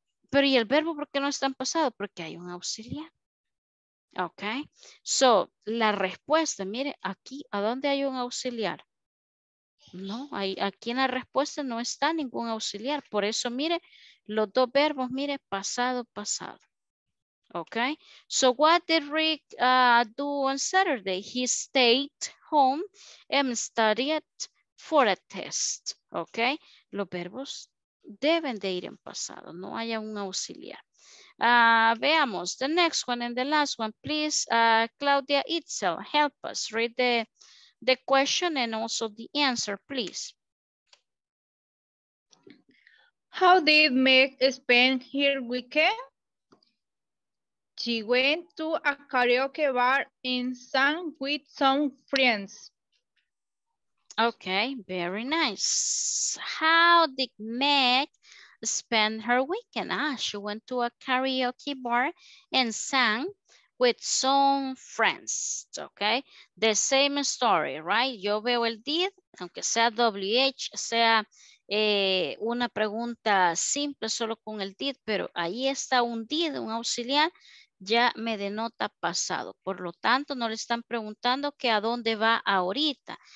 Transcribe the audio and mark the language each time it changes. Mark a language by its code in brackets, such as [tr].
[es] Pero, ¿y el verbo por qué no está en pasado? Porque hay un auxiliar. Ok. So, la respuesta, mire, aquí, ¿a dónde hay un auxiliar? No, hay, aquí en la respuesta no está ningún auxiliar. Por eso, mire, los dos verbos, mire, pasado, pasado. [en] Okay, so what did Rick do on Saturday? He stayed home and studied for a test. [es] Okay, los verbos deben de ir en pasado, no haya un auxiliar. [en] Veamos, the next one and the last one, please, Claudia Itzel, help us read the question and also the answer, please. How did Meg spend her weekend? She went to a karaoke bar and sang with some friends. Okay, very nice. How did Meg spend her weekend? Ah, she went to a karaoke bar and sang with some friends. Okay, the same story, right? [es] Yo veo el did, aunque sea WH, sea una pregunta simple solo con el did, pero ahí está un did, un auxiliar, ya me denota pasado. Por lo tanto, no le están preguntando que a dónde va ahorita.